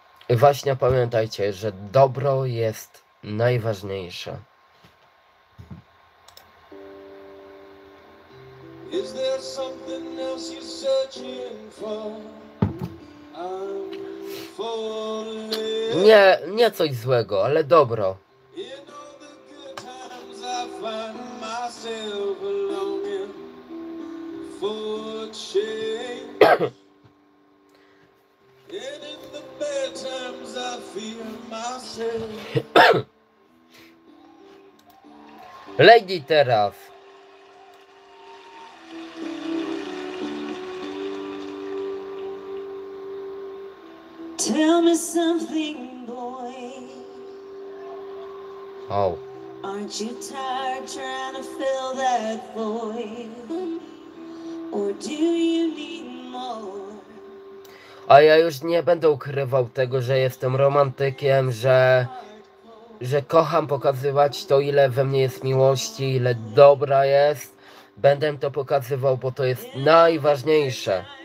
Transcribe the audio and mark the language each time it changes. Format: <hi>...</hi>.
<pl>Właśnie pamiętajcie, że dobro jest najważniejsze.</pl> <en>Is there something else you're searching for? I'm falling.</en> <pl>Nie coś złego, ale dobro.</pl> <en>In all the good times I find myself longing for change. And in the bad times I feel myself.</en> <pl>Legi teraz.</pl> <en>Tell me something, boy. Oh. Aren't you tired trying to fill that void? Or do you need more?</en> <pl>A ja już nie będę ukrywał tego, że jestem romantykiem, że kocham pokazywać to, ile we mnie jest miłości, ile dobra jest. Będę to pokazywał, bo to jest najważniejsze.</pl>